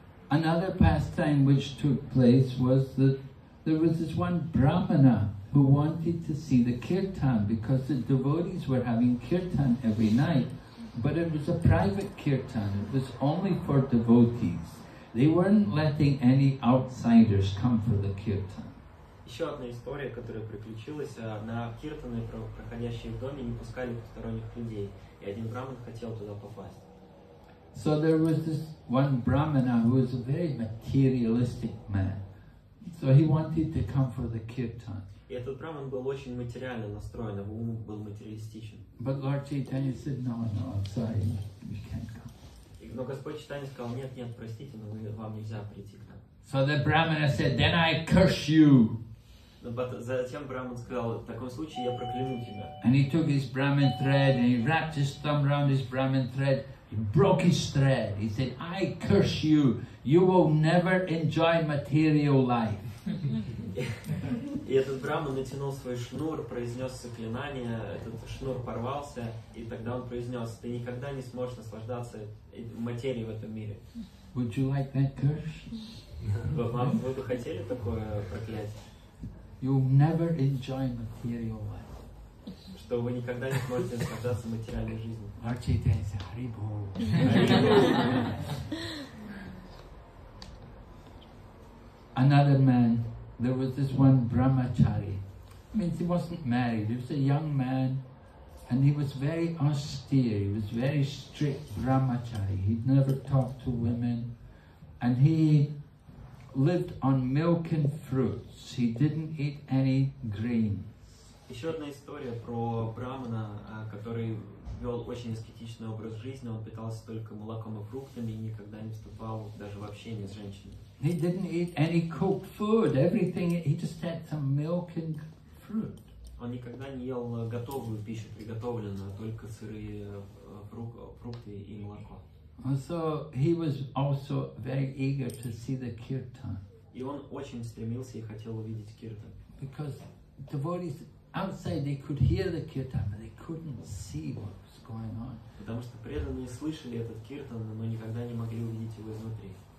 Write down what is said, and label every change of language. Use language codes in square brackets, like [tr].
[en] Another pastime which took place was that there was this one brahmana who wanted to see the kirtan because the devotees were having kirtan every night, but it was a private kirtan. It was only for devotees. They weren't letting any outsiders come for the kirtan. [ru] Еще одна история, которая приключилась, на киртаны, проходящие в доме, не пускали посторонних людей, и один брахман хотел туда попасть. [en] So there was this one brahmana who was a very materialistic man. So he wanted to come for the kirtan. [ru] И этот браман был очень материально настроен, его ум был материалистичен. [en] But Lord Chaitanya said, no, I'm sorry, you can't come. [ru] Но Господь Чайтанья сказал, нет, простите, но вам нельзя прийти к нам. [en] So the brahmana said, then I curse you. [ru] Но затем браман сказал, в таком случае я прокляну тебя. [en] And he took his brahman thread and he wrapped his thumb around his brahman thread. He broke his thread. He said, I curse you. You will never enjoy material life. [ru] И этот брахман натянул свой шнур, произнес заклинание, этот шнур порвался, и тогда он произнес, ты никогда не сможешь наслаждаться материей в этом мире. [en] Would you like that curse? [ru] Вы бы хотели такое проклятие? [en] You'll never enjoy material life. [ru] Что вы никогда не сможете наслаждаться материальной жизнью. Арчитенси, Харибу. [en] Another man. There was this one brahmachari. I mean, he wasn't married. He was a young man, and he was very austere. He was very strict brahmachari. He never talked to women, and he lived on milk and fruits. He didn't eat any grains. [ru] Еще одна история про брахмана, который вел очень аскетичный образ жизни. Он питался только молоком и фруктами и никогда не вступал даже в общение с женщинами. [en] He didn't eat any cooked food. Everything he just had some milk and fruit. [ru] Он никогда не ел готовую пищу, приготовленную, только сырые фрукты и молоко. [en] So he was also very eager to see the kirtan. [ru] И он очень стремился и хотел увидеть киртан. [en] Because devotees outside they could hear the kirtan, but they couldn't see what was going on. [ru] Потому что преданные слышали этот киртан, но никогда не могли увидеть его изнутри.